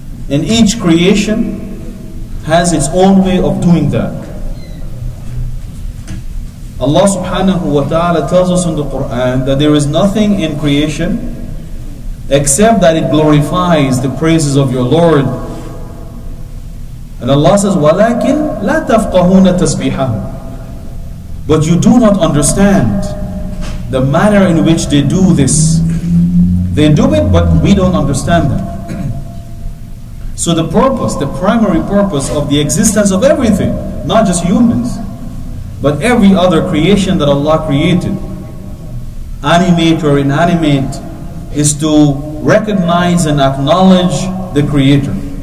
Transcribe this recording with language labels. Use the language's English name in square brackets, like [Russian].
[English] And each creation has its own way of doing that. Allah subhanahu wa ta'ala tells us in the Qur'an that there is nothing in creation except that it glorifies the praises of your Lord. And Allah says, [Arabic] وَلَكِنْ لَا تَفْقَهُونَ تَسْبِيحَهُ. [English] But you do not understand the manner in which they do this. They do it, but we don't understand them. So the purpose, the primary purpose of the existence of everything, not just humans, but every other creation that Allah created, animate or inanimate, is to recognize and acknowledge the Creator.